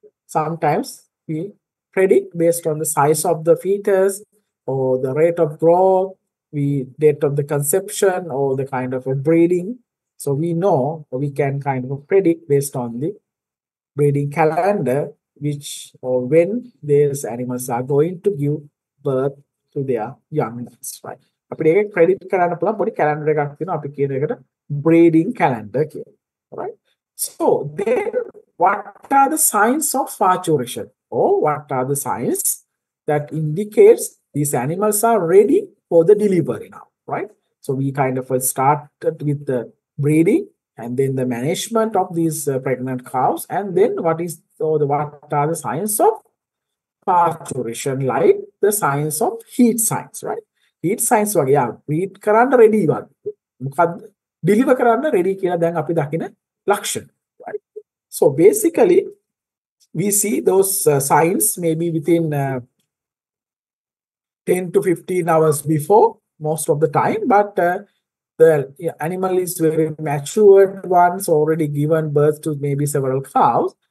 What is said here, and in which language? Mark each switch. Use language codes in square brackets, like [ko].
[en] Sometimes we predict based on the size of the fetus or the rate of growth, the date of the conception or the kind of a breeding. So we know we can kind of predict based on the breeding calendar, which or when these animals are going to give birth to their young ones, right? [si] අපිට එක credit කරන්න පුළුවන් පොඩි calendar එකක් තියෙනවා අපි කියන එකට breeding calendar කියලා. [en] Right? So then what are the signs of parturition? Or what are the signs that indicates these animals are ready for the delivery now, right? So we kind of started with the breeding and then the management of these pregnant cows, and then what is or the what are the signs of parturition, like the signs of heat signs, right? [si] Heat signs වගේ යා breed කරන්න ready වගේ මොකද deliver කරන්න ready කියලා දැන් අපි දකින ලක්ෂණ, right? [en] So basically we see those signs maybe within 10 to 15 hours before most of the time, but the animal is very matured ones, already given birth to maybe several cows.